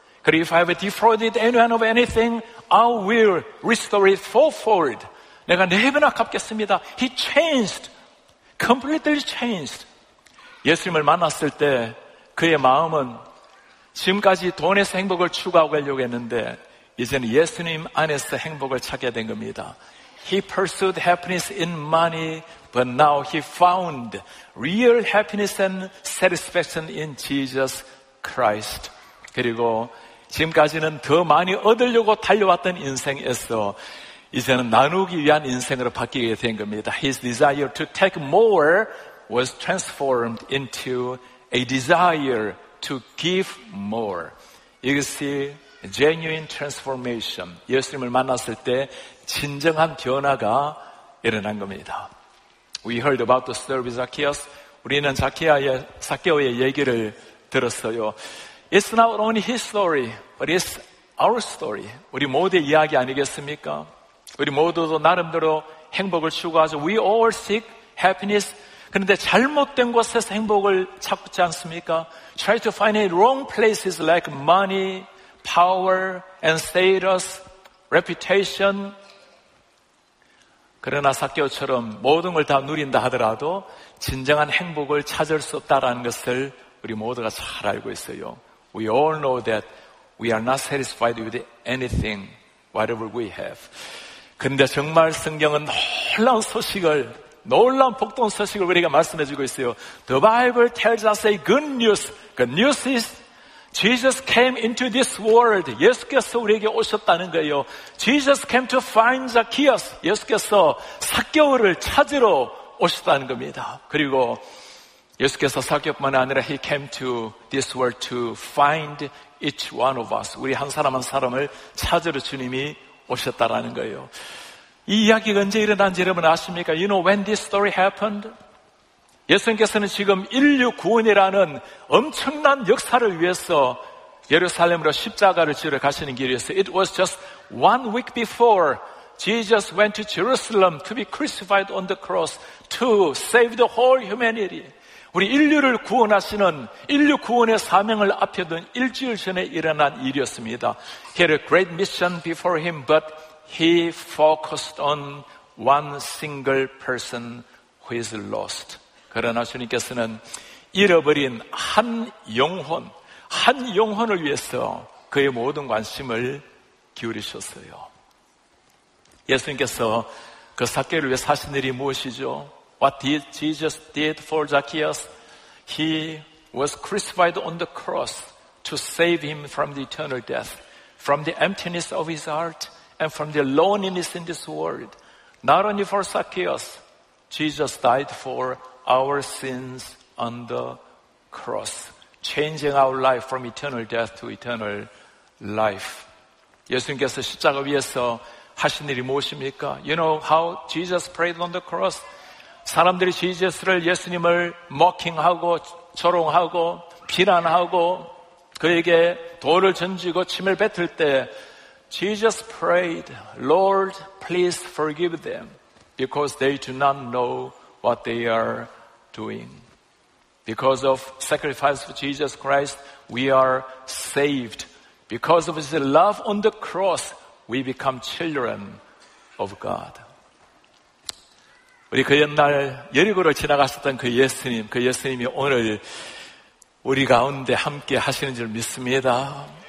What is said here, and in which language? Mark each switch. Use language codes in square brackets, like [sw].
[ko] 그리고 [en] if I have defrauded anyone of anything, I will restore it fourfold. [ko] 내가 네 배나 갚겠습니다. [en] He changed, completely changed. [ko] 예수님을 만났을 때 그의 마음은 지금까지 돈에서 행복을 추구하려고 했는데 이제는 예수님 안에서 행복을 찾게 된 겁니다. [en] He pursued happiness in money, but now he found real happiness and satisfaction in Jesus Christ. [ko] 그리고 지금까지는 더 많이 얻으려고 달려왔던 인생에서 이제는 나누기 위한 인생으로 바뀌게 된 겁니다. [en] His desire to take more was transformed into a desire to give more. [ko] 이것이 [en] genuine transformation. [ko] 예수님을 만났을 때 진정한 변화가 일어난 겁니다. [en] We heard about the story of Zacchaeus. [ko] 우리는 삭개오의 얘기를 들었어요. [en] It's not only his story, but it's our story. [ko] 우리 모두의 이야기 아니겠습니까? 우리 모두도 나름대로 행복을 추구하죠. [en] We all seek happiness. [ko] 그런데 잘못된 곳에서 행복을 찾지 않습니까? [en] Try to find it wrong places like money, power, and status, reputation. [ko] 그러나 삭개오처럼 모든 걸 다 누린다 하더라도 진정한 행복을 찾을 수 없다라는 것을 우리 모두가 잘 알고 있어요. [en] We all know that we are not satisfied with anything, whatever we have. [ko] 근데 정말 성경은 놀라운 소식을, 놀라운 복돈 소식을 우리가 말씀해 주고 있어요. [en] The Bible tells us a good news. Good news is Jesus came into this world. [ko] 예수께서 우리에게 오셨다는 거예요. [en] Jesus came to find Zacchaeus. [ko] 예수께서 삭개오를 찾으러 오셨다는 겁니다. 그리고 예수께서 삭개오뿐만 아니라 [en] He came to this world to find each one of us. [ko] 우리 한 사람 한 사람을 찾으러 주님이 오셨다라는 거예요. 이 이야기가 언제 일어난지 여러분 아십니까? [en] You know when this story happened? [ko] 예수님께서는 지금 인류 구원이라는 엄청난 역사를 위해서 예루살렘으로 십자가를 지으러 가시는 길이었어요. [en] It was just one week before Jesus went to Jerusalem to be crucified on the cross to save the whole humanity. [ko] 우리 인류를 구원하시는 인류 구원의 사명을 앞에 둔 일주일 전에 일어난 일이었습니다. [en] He had a great mission before him, but he focused on one single person who is lost. [ko] 그러나 주님께서는 잃어버린 한 영혼을 위해서 그의 모든 관심을 기울이셨어요. 예수님께서 그 삭개오를 위해 사신 일이 무엇이죠? [en] What did Jesus did for Zacchaeus? He was crucified on the cross to save him from the eternal death, from the emptiness of his heart, and from the loneliness in this world. Not only for Zacchaeus, Jesus died for our sins on the cross, changing our life from eternal death to eternal life. [ko] 예수님께서 십자가 위에서 하신 일이 무엇입니까? [en] You know how Jesus prayed on the cross? [ko] 사람들이 지저스를 예수님을 mocking하고 조롱하고 비난하고 그에게 돌을 던지고 침을 뱉을 때 [en] Jesus prayed, Lord, please forgive them because they do not know what they are doing. Because of sacrifice of Jesus Christ, we are saved. Because of His love on the cross, we become children of God. [ko] 우리 그 옛날 여리고를 지나가셨던 그 예수님이 오늘 우리 가운데 함께 하시는 줄 믿습니다.